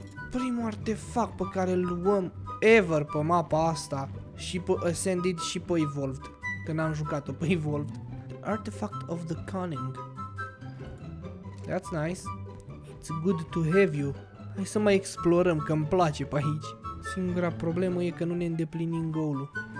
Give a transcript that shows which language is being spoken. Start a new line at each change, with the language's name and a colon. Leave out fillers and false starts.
Romanian: Primul artefact pe care îl luăm ever pe mapa asta. Și pe Ascended și pe Evolved. Când am jucat-o pe Evolved.
English: The Artifact of the Cunning. That's nice. It's good to have you.
Romanian: Hai să mai explorăm, că îmi place pe aici. Singura problemă e că nu ne îndeplinim goal-ul.